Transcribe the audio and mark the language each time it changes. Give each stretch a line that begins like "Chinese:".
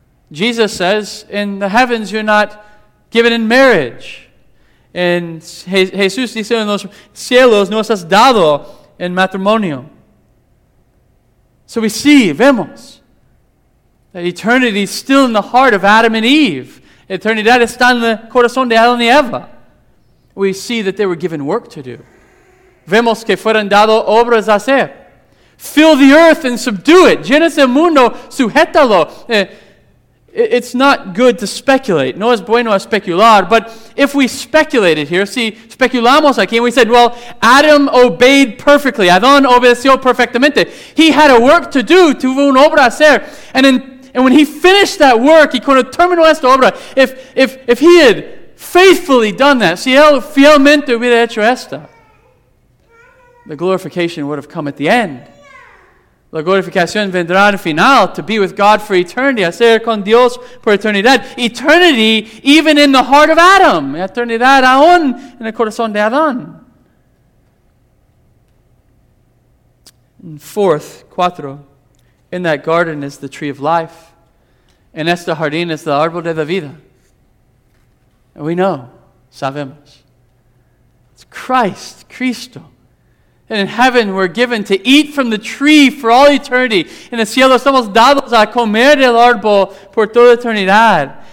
English: Jesus says, in the heavens you're not given in marriage.
Spanish: En Jesús dice, en los cielos no estás dado en matrimonio.
English: So we see,
Spanish: vemos,
English: that eternity is still in the heart of Adam and Eve.
Spanish: Eternidad está en el corazón de Adán y Eva.
English: We see that they were given work to do.
Spanish: Vemos que fueron dados obras a hacer.
English: Fill the earth and subdue it.
Spanish: Llena el mundo, sujétalo.
English: It's not good to speculate.
Spanish: No es bueno especular.
English: But if we speculated here, see,
Spanish: speculamos aquí,
English: and we said, well, Adam obeyed perfectly.
Spanish: Adán obedeció perfectamente.
English: He had a work to do,
Spanish: tuvo una obra a hacer.
English: And when he finished that work,
Spanish: y cuando terminó esta obra,
English: if he had faithfully done that,
Spanish: si él fielmente hubiera hecho esta,
English: the glorification would have come at the end.
Spanish: La glorificación vendrá al final,
English: to be with God for eternity,
Spanish: a ser con Dios por eternidad.
English: Eternity, even in the heart of Adam.
Spanish: Eternidad aún en el corazón de Adán.
English: And fourth,
Spanish: cuatro,
English: in that garden is the tree of life.
Spanish: En este jardín es el árbol de la vida.
English: And we know,
Spanish: sabemos.
English: It's Christ, Cristo. And in heaven, we're given to eat from the tree for all eternity.
Spanish: En el cielo, estamos dados a comer del árbol por toda eternidad.